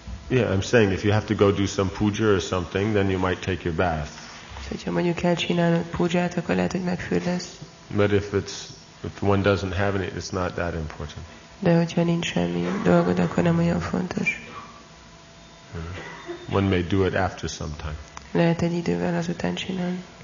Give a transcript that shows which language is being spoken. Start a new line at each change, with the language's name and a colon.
English: Yeah, I'm saying if you have to go do some puja or something, then you might take your bath.
Hungarian: Ha mondjuk kell csinálnod pujját, akkor lehet, hogy megfürdesz.
English: But if one doesn't have any, it's not that important.
Hungarian: De hogyha nincs semmi dolgod, akkor nem olyan fontos.
English: One may do it after some time.
Hungarian: Lehet egy idővel azután csinálni.